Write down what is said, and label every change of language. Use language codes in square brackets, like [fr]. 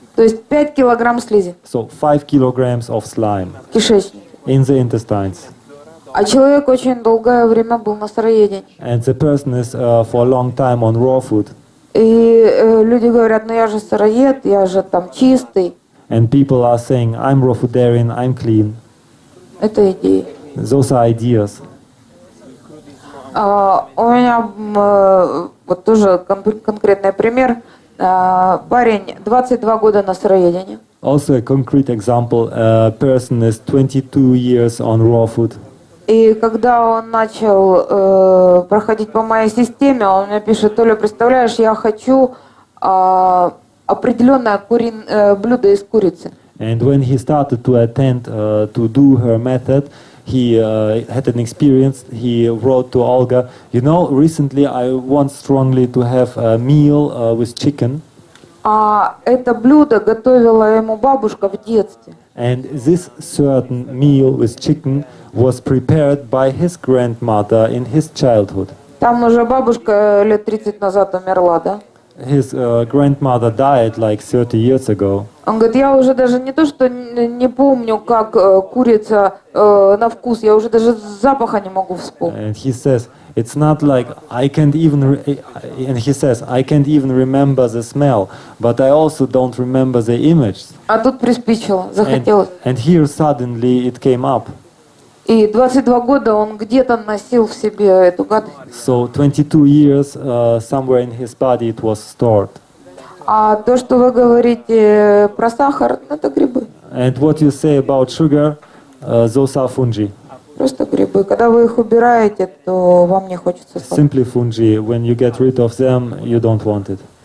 [ru] То есть 5 килограмм слизи. [en] So 5 kilograms of slime. [ru] Кишечник. [en] In the intestines. [ru] А человек очень долгое время был на сыроедении. [en] And the person is for a long time on raw food. [ru] И люди говорят, ну я же сыроед, я же там чистый. [en] And people are saying, I'm raw foodarian, I'm clean. [ru] Это идеи. [en] Those are ideas. [ru] У меня вот тоже конкретный пример. Парень 22 года на сыроедении. [en] Also a concrete example, a person is 22 years on raw food. [ru] И когда он начал проходить по моей системе, он мне пишет, Толя, представляешь, я хочу определенное блюдо из курицы. [en] And when he started to attend to do her method, he had an experience. He wrote to Olga, you know, recently I want strongly to have a meal with chicken. [ru] А это блюдо готовила ему бабушка в детстве. [en] And this certain meal with chicken was prepared by his grandmother in his childhood. [ru] Там уже бабушка лет 30 назад умерла, да? [en] His grandmother died like 30 years ago. [ru] Он говорит, я уже даже не то, что не помню, как курица на вкус, я уже даже запаха не могу вспомнить. [en] And he says, it's not like I can't even and he says, I can't even remember the smell, but I also don't remember the image. [ru] А тут приспичило, захотелось. [en] And here suddenly it came up. [ru] И 22 года он где-то носил в себе эту гадость. [en] So 22 years somewhere in his body it was stored. [ru] А то, что вы говорите про сахар, это грибы. [en] And what you say about sugar, those are fungi. [ru] Просто грибы. Когда вы их убираете, то вам не хочется сладкого. [en] Simply fungi. When you get rid of them, you don't want it.